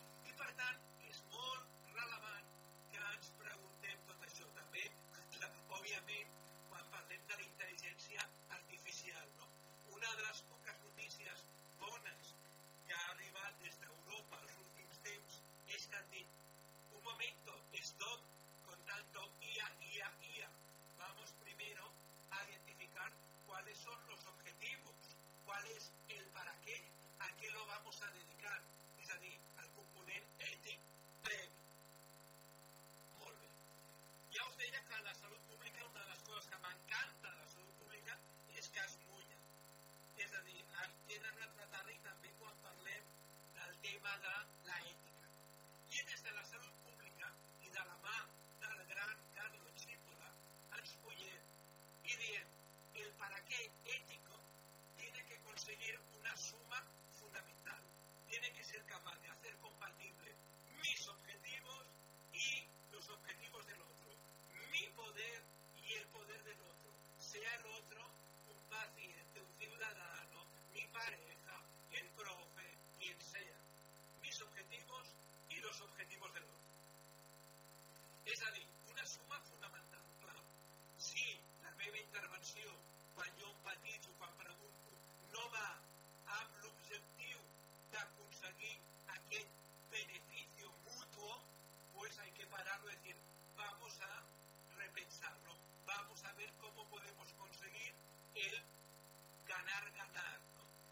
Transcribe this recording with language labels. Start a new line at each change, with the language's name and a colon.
Catalan: I per tant, és molt relevant que ens preguntem tot això també, òbviament, quan parlem de la intel·ligència artificial. No? Una de les poques notícies bones que ha arribat des d'Europa els últims temps és que han dit
Spanish: un momento, stop, con tanto IA. Vamos primero a identificar cuáles son los objetivos, cuál es el para qué, a qué lo vamos a dedicar,
Catalan: es a dir, al component ètic previ. Molt bé. Ja us deia que la salut pública, una de les coses que m'encanta de la salut pública, és que es mulla. És a dir, es queda en el retard i també quan parlem del tema de l'ètica. I des de la salut pública i de la mà del gran Carlo Cipolla, ens mullem i diem el per a què
Spanish: ètico tiene que conseguir una suma fundamental. Tiene que ser capaz de hacer compatible mis objetivos y los objetivos del otro. Mi poder y el poder del otro. Sea el otro un paciente, un ciudadano, mi pareja, el profe, quien sea. Mis objetivos y los objetivos del otro.
Catalan: És a dir, una suma fonamental, clar. Si la meva intervenció, quan jo empatitzo, quan pregunto, no va amb l'objectiu d'aconseguir aquest benefici mutu,
Spanish: pues hay que pararlo y decir, vamos a repensarlo, vamos a ver cómo podemos conseguir el ganar-ganar. ¿No?